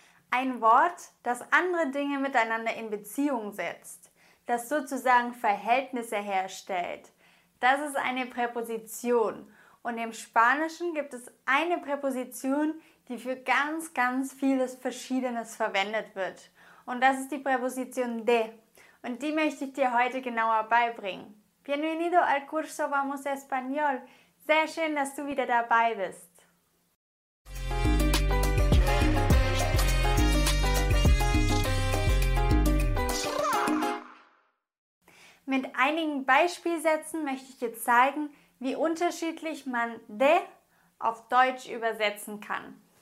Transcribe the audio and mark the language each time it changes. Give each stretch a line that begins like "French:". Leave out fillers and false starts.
German: Ein Wort, das andere Dinge miteinander in Beziehung setzt, das sozusagen Verhältnisse herstellt. Das ist eine Präposition. Und im Spanischen gibt es eine Präposition, die für ganz, ganz vieles Verschiedenes verwendet wird. Und das ist die Präposition de. Und die möchte ich dir heute genauer beibringen.
Spanish: Bienvenido al curso Vamos Español.
German: Sehr schön, dass du wieder dabei bist. Mit einigen Beispielsätzen möchte ich dir zeigen, wie unterschiedlich man de auf Deutsch übersetzen kann.